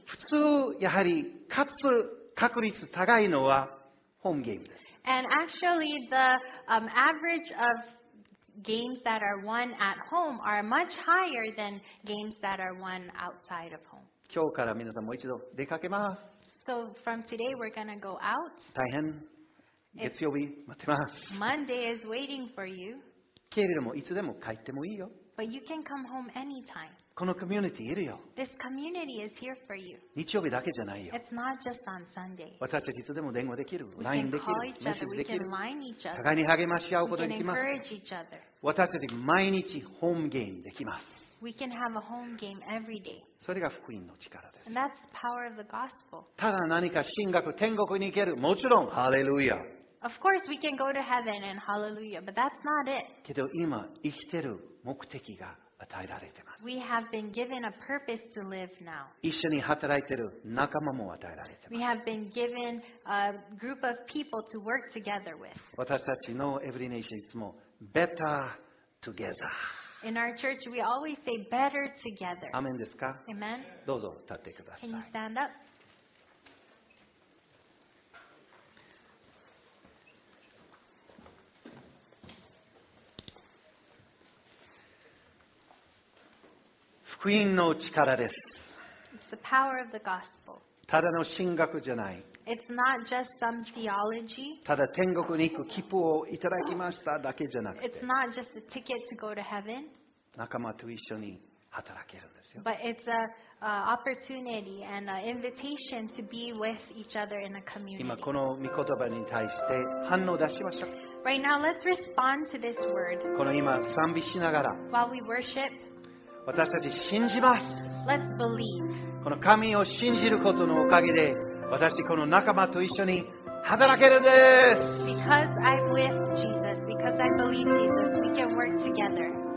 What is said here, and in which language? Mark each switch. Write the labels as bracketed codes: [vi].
[ja] 普通、やはり勝つ確率高いのはホームゲームです。 [en] And actually, the average of games that are won at home are much higher than games that are won outside of home. [ja] 今日から皆さんもう一度出かけます。 [en] So from today we're gonna go out. [ja] 大変。月曜日待ってます。 [en] Monday is waiting for you. [ja] けれどもいつでも帰ってもいいよ。 [en] But you can come home anytime. [ja] このコミュニティいるよ。 [en] This community is here for you. [ja] 日曜日だけじゃないよ。 [en] It's not just on Sunday. [ja] 私たちいつでも電話できる、LINE できる、メッセージできる。 [en] We can line each other. [ja] 互いに励まし合うことができます。 [en] We can encourage each other. [ja] 私たち毎日ホームゲームできます。 [en] We can have a home game every day. [ja] それが福音の力です。 [en] And that's the power of the gospel. [ja] ただ何か神学、天国に行ける。もちろん、ハレルヤ。 [en] Of course, we can go to heaven and hallelujah, but that's not it. [ja] けど今、生きてる目的が与えられてます。 [en] We have been given a purpose to live now. [ja] 一緒に働いてる仲間も与えられてます。 [en] We have been given a group of people to work together with. [ja] 私たちのエブリネーションいつも、 [en] better together. In our church, we always say better together. [ja] アメンですか? [en] Amen. [ja] どうぞ立ってください。 [en] Can you stand up? [ja] 福音の力です。 [en] It's the power of the gospel. [ja] ただの神学じゃない。 [en] It's not just some theology. [ja] ただ天国に行く切符をいただきましただけじゃなくて。 [en] It's not just a ticket to go to heaven. [ja] 仲間と一緒に働けるんですよ。 [en] But it's a opportunity and an invitation to be with each other in a community. [ja] 今この御言葉に対して反応出しましょう。 [en] Right now, let's respond to this word. [ja] この今賛美しながら。 [en] While we worship. [ja] 私たち信じます。 [en] Let's believe. [ja] この神を信じることのおかげで、私この仲間と一緒に働けるんです。 [en] Because I'm with Jesus, because I believe Jesus, we can work together.